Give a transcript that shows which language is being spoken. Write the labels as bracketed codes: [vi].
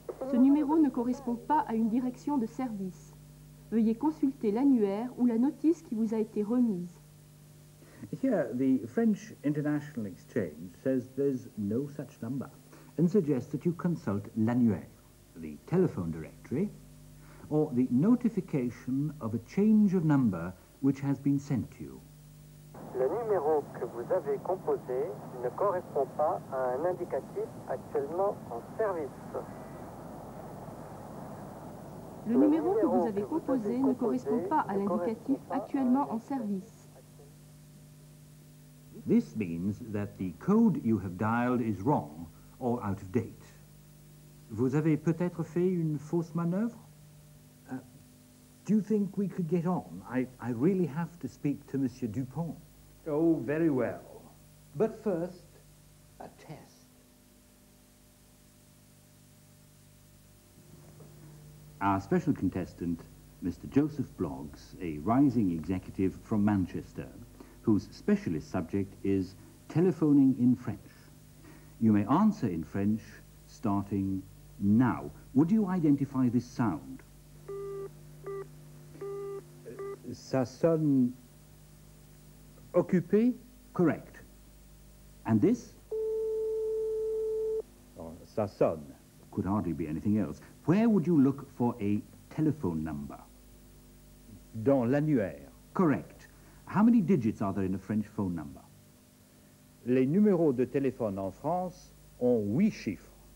[fr] Ce numéro ne correspond pas à une direction de service. Veuillez consulter l'annuaire ou la notice qui vous a été remise. [en] Here, the French International Exchange says there's no such number and suggests that you consult l'annuaire, the telephone directory, or the notification of a change of number which has been sent to you. [fr] Le numéro que vous avez composé ne correspond pas à un indicatif actuellement en service. Le numéro que vous avez composé ne correspond pas à l'indicatif actuellement en service. [en] This means that the code you have dialed is wrong or out of date. [fr] Vous avez peut-être fait une fausse manœuvre? [en] Do you think we could get on? I really have to speak to Monsieur Dupont. Oh, very well. But first, a test. Our special contestant, Mr. Joseph Bloggs, a rising executive from Manchester, whose specialist subject is telephoning in French. You may answer in French starting now. Would you identify this sound? [fr] Ça sonne occupé? [en] Correct. And this? [fr] Oh, ça sonne. [en] Could hardly be anything else. Where would you look for a telephone number? [fr] Dans l'annuaire. [en] Correct. How many digits are there in a French phone number? [fr] Les numéros de téléphone en France ont 8 chiffres.